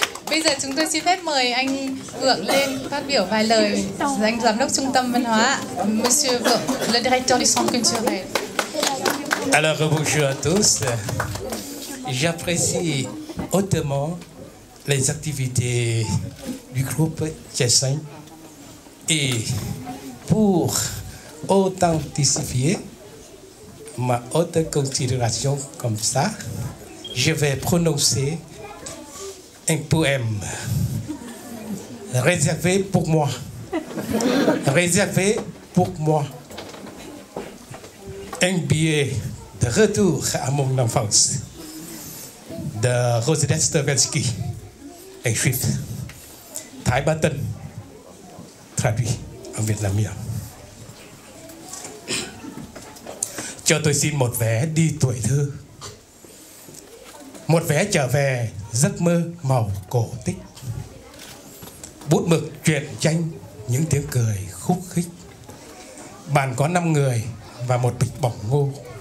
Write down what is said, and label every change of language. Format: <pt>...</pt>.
<vi>Bây giờ chúng tôi xin phép mời anh Vượng lên phát biểu vài lời, anh giám đốc trung tâm văn hóa,</vi> <fr>Monsieur Vượng, le directeur du centre culturel. Alors bonjour à tous. J'apprécie hautement les activités du groupe Chessin et pour authentifier ma haute considération comme ça, je vais prononcer un poème réservé pour moi. Réservé pour moi. Un billet de retour à mon enfance de Rosalie Stravinsky, un juif tibétain, traduit en vietnamien.</fr> <vi>Cho tôi xin một vé đi tuổi thơ, một vé trở về giấc mơ màu cổ tích, bút mực truyện tranh, những tiếng cười khúc khích, bàn có 5 người và một bịch bỏng ngô.</vi>